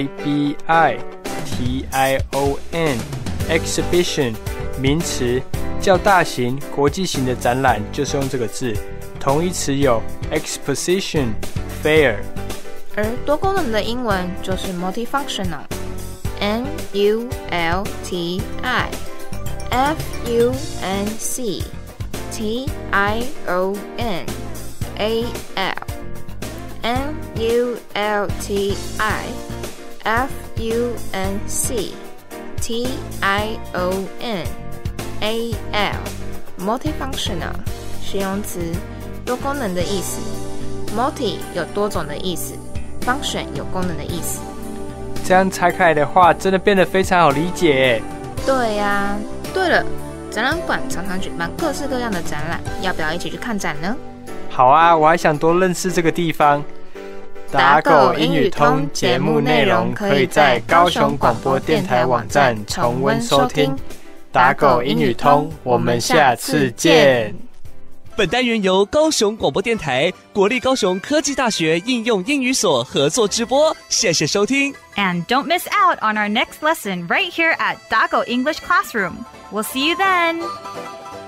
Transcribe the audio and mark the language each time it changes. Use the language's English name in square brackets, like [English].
[Chinese] Exhibition, Exhibition, 名词，较大型、国际型的展览，就是用这个字。同义词有 Exposition, Fair。而多功能的英文就是 Multifunctional, M-U-L-T-I, F-U-N-C。 T-I-O-N-A-L M-U-L-T-I F-U-N-C T-I-O-N A-L Multifunctional 形容词，多功能的意思。 Multi 有多种的意思， Function 有功能的意思。这样拆开来的话真的变得非常好理解耶。对呀、啊、对了，展览馆常常举办各式各样的展览，要不要一起去看展呢？好啊，我还想多认识这个地方。打狗英语通节目内容可以在高雄广播电台网站重温收听。打狗英语通，我们下次见。本单元由高雄广播电台、国立高雄科技大学应用英语所合作直播，谢谢收听。 [English] And don't miss out on our next lesson right here at Dago English Classroom. We'll see you then!